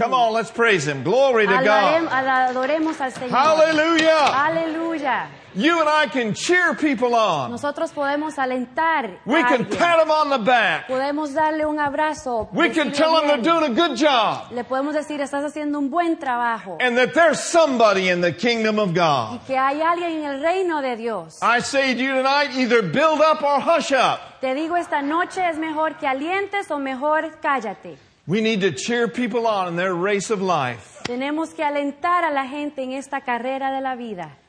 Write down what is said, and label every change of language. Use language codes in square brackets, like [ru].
[en] Come on, let's praise Him. Glory to God. [es] Adoremos al Señor. Hallelujah. Hallelujah. [en] You and I can cheer people on. [es] Nosotros podemos alentar. [en] We can pat them on the back. [es] Podemos darle un abrazo. [en] We can tell them to doing a good job. [es] Le podemos decir, estás haciendo un buen trabajo. [en] And that there's somebody in the kingdom of God. [es] Y que hay alguien en el reino de Dios. [en] I say to you tonight, either build up or hush up. [es] Te digo esta noche, es mejor que alientes o mejor cállate. [en] We need to cheer people on in their race of life. [es] Tenemos que alentar a la gente en esta carrera de la vida.